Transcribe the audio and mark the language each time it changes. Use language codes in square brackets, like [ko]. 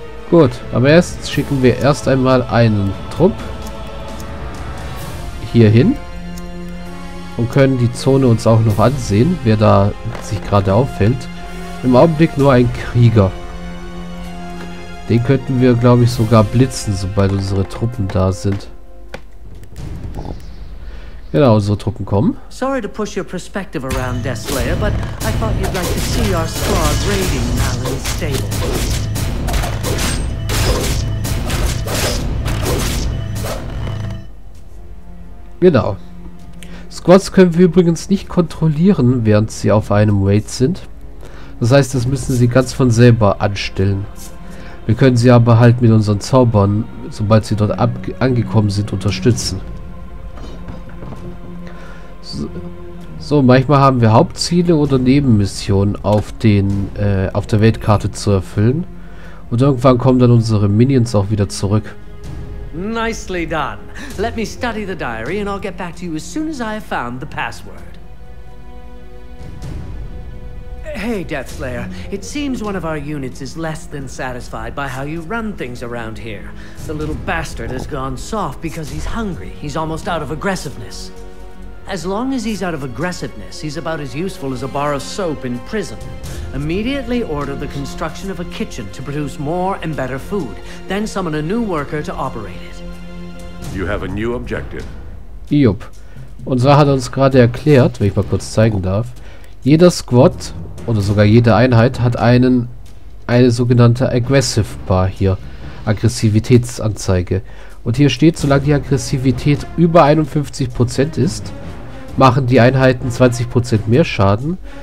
[de] Gut, aber erst schicken wir erst einmal einen Trupp hierhin und können die Zone uns auch noch ansehen, wer da sich gerade auffällt. Im Augenblick nur ein Krieger. Den könnten wir, glaube ich, sogar blitzen, sobald unsere Truppen da sind. Genau, unsere Truppen kommen. [en] Sorry to push your perspective around, Deathslayer, but I thought you'd like to see our squad raiding Malin's stable. [de] Genau. Squads können wir übrigens nicht kontrollieren, während sie auf einem Raid sind. Das heißt, das müssen sie ganz von selber anstellen. Wir können sie aber halt mit unseren Zaubern, sobald sie dort angekommen sind, unterstützen. So, manchmal haben wir Hauptziele oder Nebenmissionen auf der Weltkarte zu erfüllen. Und irgendwann kommen dann unsere Minions auch wieder zurück. [en] Nicely done. Let me study the diary and I'll get back to you as soon as I have found the password. Hey, Deathslayer. It seems one of our units is less than satisfied by how you run things around here. The little bastard has gone soft because he's hungry. He's almost out of aggressiveness. As long as he's out of aggressiveness, he's about as useful as a bar of soap in prison. Immediately order the construction of a kitchen to produce more and better food. Then summon a new worker to operate it. You have a new objective. [de] Jupp. Unser hat uns gerade erklärt, wenn ich mal kurz zeigen darf. Jeder Squad oder sogar jede Einheit hat eine sogenannte Aggressive Bar hier. Aggressivitätsanzeige. Und hier steht, solange die Aggressivität über 51% ist, machen die Einheiten 20% mehr Schaden.